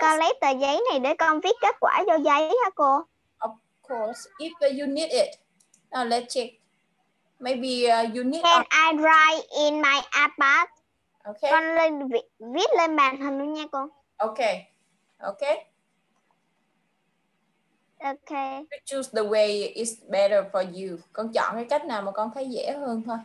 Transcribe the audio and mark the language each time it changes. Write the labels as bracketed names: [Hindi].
[Vietnamese] Con lấy tờ giấy này để con viết kết quả vô giấy ha cô. [English] Of course, if you need it. Now let's check. Maybe you need. Can I write in my iPad? Okay. [Vietnamese] Con lên viết lên màn hình luôn nha con. [English] Okay. Okay. Okay. You choose the way is better for you. [Vietnamese] Con chọn cái cách nào mà con thấy dễ hơn thôi.